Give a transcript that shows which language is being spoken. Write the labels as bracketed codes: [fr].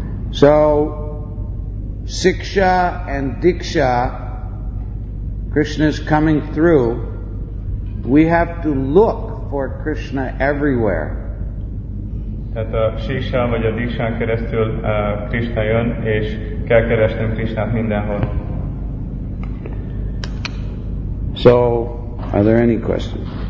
[en] So, siksha and diksha, Krishna is coming through. We have to look for Krishna everywhere. [hu] Tehát a siksa vagy a diksán keresztül Krishna jön, és kell keresnünk Krishnát mindenhol. [en] So, are there any questions?